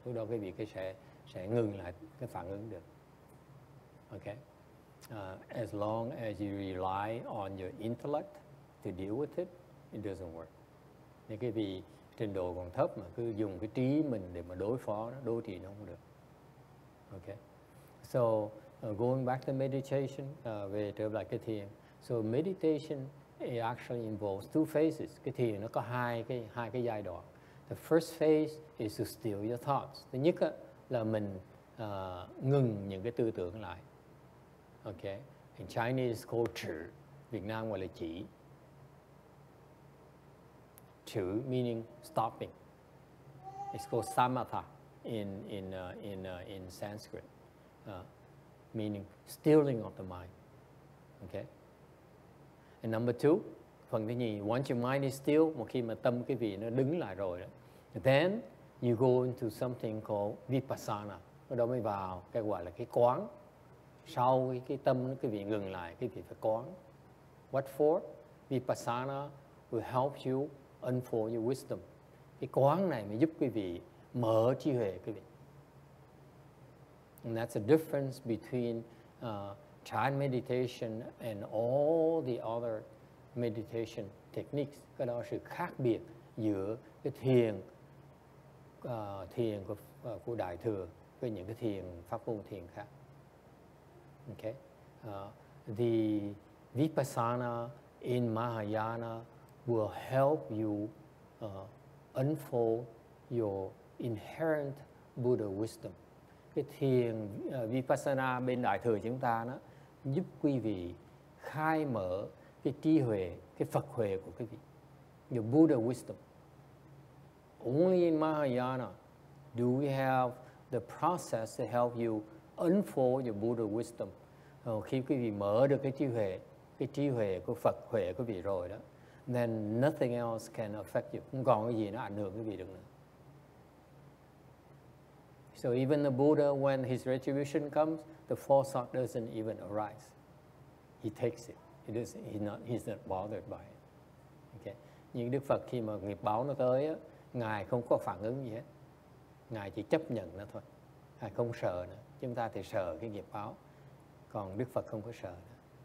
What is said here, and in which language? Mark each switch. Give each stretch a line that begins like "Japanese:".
Vietnamese: Lúc đó quý vị sẽ ngừng lại cái phản ứng được.
English: Okay, as long as you rely on your intellect to deal with it, it doesn't work.
Vietnamese: Nếu quý vị trình độ còn thấp mà cứ dùng cái trí mình để mà đối phó nó, đối trị nó không được.
English: Okay, so going back to meditation,
Vietnamese: về trở lại cái thiền.
English: So meditation, it actually involves 2 phases.
Vietnamese: Cái thiền nó có hai cái giai đoạn.
English: The first phase is to still your thoughts.
Vietnamese: Thứ nhất là mình ngừng những cái tư tưởng lại. Okay.
English: In Chinese culture,
Vietnamese: Việt Nam gọi là chỉ.
English: Chỉ meaning stopping. It's called samatha in Sanskrit. Meaning stilling of the mind. Okay. And number two,
Vietnamese: phần thứ nhì,
English: once your mind is still,
Vietnamese: một khi mà tâm cái vị nó đứng lại rồi đó,
English: then you go into something called vipassana.
Vietnamese: Đó mới vào cái gọi là cái quán. Sau cái tâm cái vị ngừng lại, cái vị phải quán.
English: What for? Vipassana will help you unfold your wisdom.
Vietnamese: Cái quán này mới giúp quý vị mở trí huệ quý vị.
English: And that's the difference between chan meditation and all the other meditation
Vietnamese: techniques, cái đó là sự khác biệt giữa cái thiền thiền của đại thừa với những cái thiền pháp môn thiền khác.
English: Okay, the Vipassana in Mahayana will help you unfold your inherent Buddha wisdom.
Vietnamese: Cái thiền Vipassana bên đại thừa chúng ta đó giúp quý vị khai mở cái trí huệ, cái Phật huệ của quý vị,
English: your Buddha wisdom. Only in Mahayana do we have the process to help you unfold your Buddha wisdom.
Vietnamese: Khi quý vị mở được cái trí huệ của Phật huệ của quý vị rồi đó,
English: then nothing else can affect you.
Vietnamese: Không còn cái gì nó ảnh hưởng quý vị được nữa.
English: So even the Buddha, when his retribution comes, the foresight doesn't even arise. He takes it. He's not bothered by it. Okay.
Vietnamese: Nhưng Đức Phật khi mà nghiệp báo nó tới á, Ngài không có phản ứng gì hết. Ngài chỉ chấp nhận nó thôi. Ngài không sợ nữa. Chúng ta thì sợ cái nghiệp báo. Còn Đức Phật không có sợ nữa.